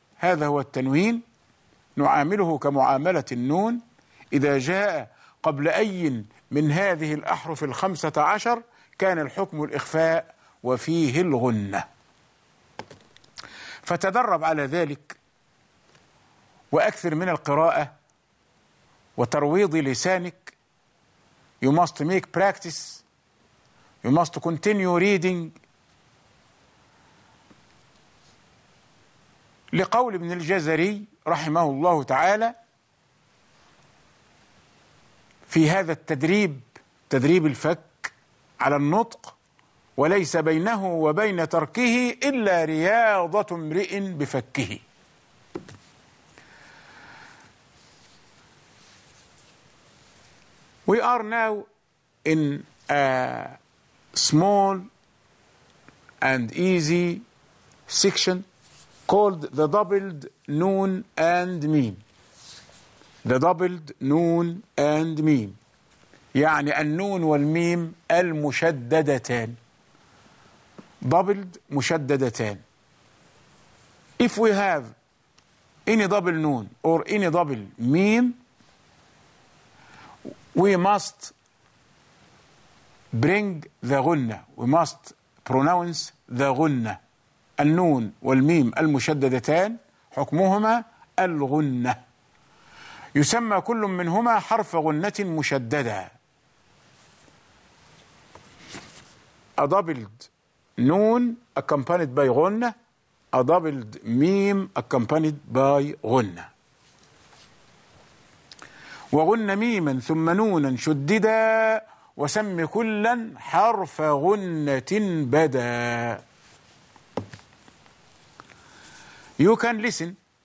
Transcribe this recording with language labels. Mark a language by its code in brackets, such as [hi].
[ar] هذا هو التنوين، نعامله كمعاملة النون إذا جاء قبل أي من هذه الأحرف الخمسة عشر كان الحكم الإخفاء وفيه الغنة. فتدرب على ذلك وأكثر من القراءة وترويض لسانك. [en] You must make practice. You must continue reading. [ar] لقول ابن الجزري رحمه الله تعالى في هذا التدريب، تدريب الفك على النطق، وليس بينه وبين تركه إلا رياضة امرئ بفكه. [en] We are now in a small and easy section called the doubled noon and meme. The doubled noon and meme. [ar] يعني النون والميم المشددتان. [en] doubled مشددتان. If we have any double noon or any double mean, we must bring the غنّة. We must pronounce the غنّة. [ar] النون والميم المشددتان حكمهما الغنّة. يسمى كل منهما حرف غنة مشددة. [en] A doubled noon accompanied by غنة. A doubled ميم accompanied by غنة. [ar] وغن ميما ثم نونا شددا وسم كلا حرف غنة بدا. [en] You can listen.